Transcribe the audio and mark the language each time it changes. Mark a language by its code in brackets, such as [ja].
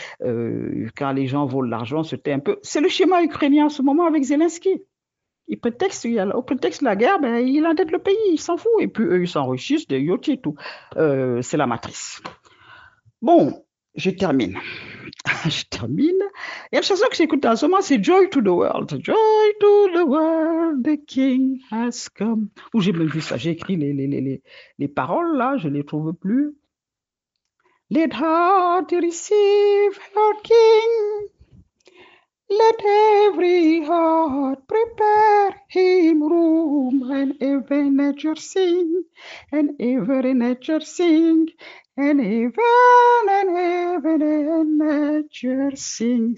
[fr] Quand les gens volent l'argent, c'était un peu. C'est le schéma ukrainien en ce moment avec Zelensky. Au prétexte de la guerre, ben, il endette le pays, il s'en fout. Et puis eux, ils s'enrichissent de yachts et tout. C'est la matrice. Bon, je termine. Je termine. Il y a une chanson que j'écoute en ce moment, c'est Joy to the World. [en] Joy to the World, the King has come. [fr] Ou j'ai même vu ça, j'ai écrit les paroles là, je ne les trouve plus. [en] Let heart receive her King. Let every heart prepare him room and every nature sing. And every nature sing. And even and heaven and nature sing.